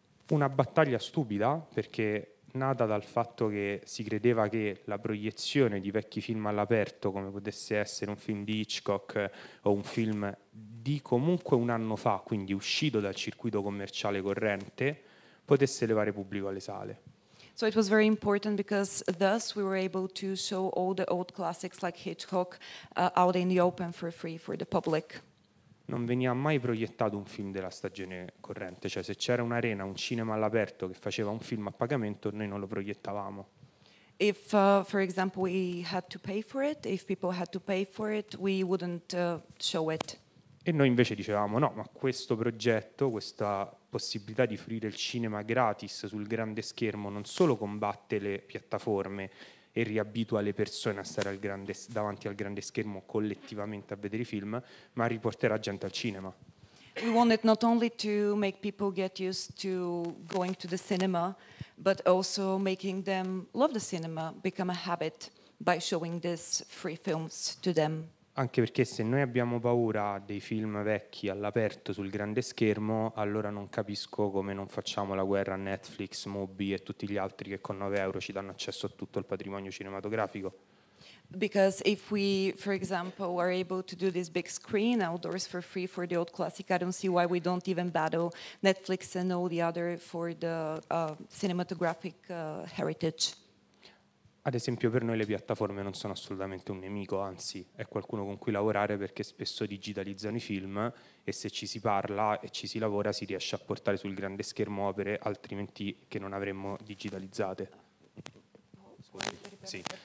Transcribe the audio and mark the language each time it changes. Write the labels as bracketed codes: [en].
[it] Una battaglia stupida, perché nata dal fatto che si credeva che la proiezione di vecchi film all'aperto, come potesse essere un film di Hitchcock o un film di comunque un anno fa, quindi uscito dal circuito commerciale corrente, potesse levare pubblico alle sale. [en] So it was very important because thus we were able to show all the old classics like Hitchcock out in the open for free for the public. [it] Non veniva mai proiettato un film della stagione corrente, cioè se c'era un'arena, un cinema all'aperto che faceva un film a pagamento, noi non lo proiettavamo. [en] If for example we had to pay for it, if people had to pay for it, we wouldn't show it. [it] E noi invece dicevamo no, ma questo progetto, questa possibilità di fruire il cinema gratis sul grande schermo non solo combatte le piattaforme e riabitua le persone a stare davanti al grande schermo collettivamente a vedere i film, ma riporterà gente al cinema. [en] We wanted not only to make people get used to going to the cinema, but also making them love the cinema, become a habit by showing these free films to them. [it] Anche perché se noi abbiamo paura dei film vecchi all'aperto sul grande schermo, allora non capisco come non facciamo la guerra a Netflix, Mubi e tutti gli altri che con 9 euro ci danno accesso a tutto il patrimonio cinematografico. [en] Because if we, for example, are able to do this big screen outdoors for free for the old classic, I don't see why we don't even battle Netflix and all the other for the cinematographic heritage. [it] Ad esempio, per noi le piattaforme non sono assolutamente un nemico, anzi, è qualcuno con cui lavorare perché spesso digitalizzano i film e se ci si parla e ci si lavora si riesce a portare sul grande schermo opere altrimenti che non avremmo digitalizzate. Sì.